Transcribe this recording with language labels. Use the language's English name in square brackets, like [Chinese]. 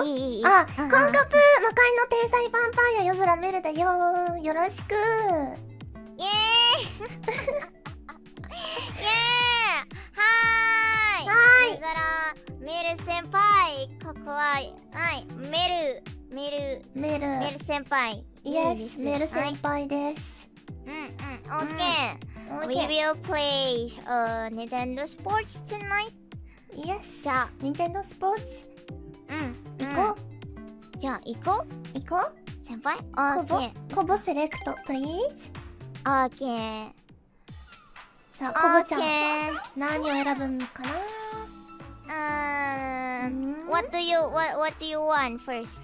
[Japanese] あ、コンカプ、魔界の天才ヴァンパイア、夜空メルだよ、よろしく、イエーイイエーイ、はーい、はーい、夜空メル先輩、ここは、はい、メル、メル、メル、メル先輩、イエス、メル先輩です、うんうん、オッケー、 [English] We will play Nintendo Sports tonight、イエス、 [Japanese] じゃあ、 [English] Nintendo Sports、 [Japanese] うん、行こう、うん、じゃあ行こう、行こう、先輩、 [English] オーケー、コボセレクトプリーズ、オーケ [Japanese] ー、さあコボちゃん何を選ぶのかな、 [English] うーん、What do you what do you want first?